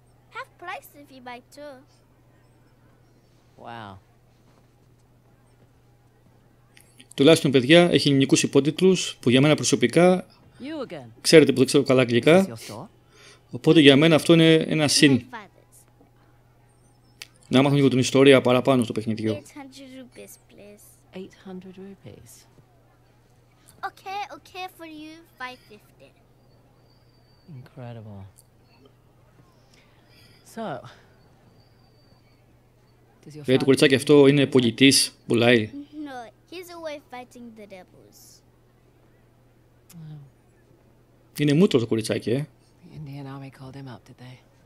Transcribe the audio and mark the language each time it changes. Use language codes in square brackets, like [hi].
[en] Half price if you buy two. Wow. [el] Τουλάχιστον, παιδιά, έχει ελληνικούς υπότιτλους που για μένα προσωπικά ξέρετε που δεν ξέρω καλά αγγλικά. Οπότε για μένα αυτό είναι ένα συν. Να μάθω λίγο την ιστορία παραπάνω στο παιχνιδιό. [en] 800 rupees, please. 800 rupees. Okay, okay for you, 550. Incredible. [el] So, λέει το κουριτσάκι αυτό είναι πολιτής, πουλάει. [en] He's away fighting the devils. Oh. [el] Είναι μούτρο το κουριτσάκι, [en] The Indian army called him up, did they?